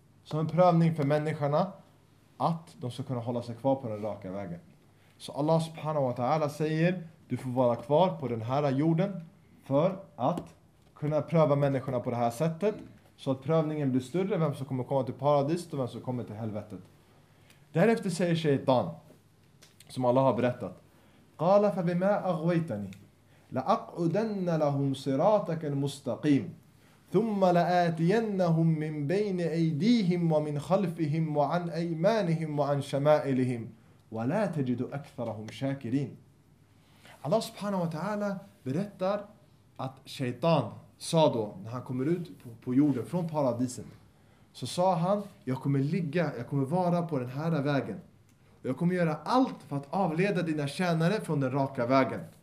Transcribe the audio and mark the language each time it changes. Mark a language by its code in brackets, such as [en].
[sv] Som en prövning för människorna att de ska kunna hålla sig kvar på den raka vägen. Så Allah subhanahu wa ta'ala säger, du får vara kvar på den här jorden för att kunna pröva människorna på det här sättet. Så att prövningen blir större, vem som kommer komma till paradiset och vem som kommer till helvetet. Därefter säger shaitan, som Allah har berättat, [ar] قَالَ فَبِمَا أَغْوَيْتَنِي لَأَقْعُدَنَّ لَهُمْ صِرَاطَكَ الْمُسْتَقِيمِ ثُمَّ لَآتِيَنَّهُمْ مِنْ بَيْنِ أَيْدِيهِمْ وَمِنْ خَلْفِهِمْ وَعَنْ أَيْمَانِهِمْ وَعَنْ شَمَائِلِهِمْ وَلَا تَجِدُ أَكْثَرَهُمْ شَاكِرِينَ. [sv] Allah subhanahu wa ta'ala berättar att shaitan sa då, när han kommer ut på jorden från paradiset, så sa han, jag kommer vara på den här vägen. Jag kommer göra allt för att avleda dina tjänare från den raka vägen.